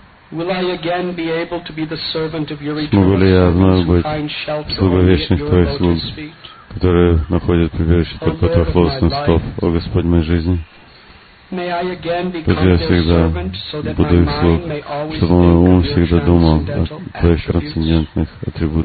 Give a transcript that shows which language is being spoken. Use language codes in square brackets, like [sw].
[en] will I again be able to be the servant of your eternal servants who find shelter under your lotus feet, [ru] которые находят прибежище под ковров лотосных стоп, О Господь моей жизни? [en] May I again become your servant so that my mind may always think of your transcendental attributes?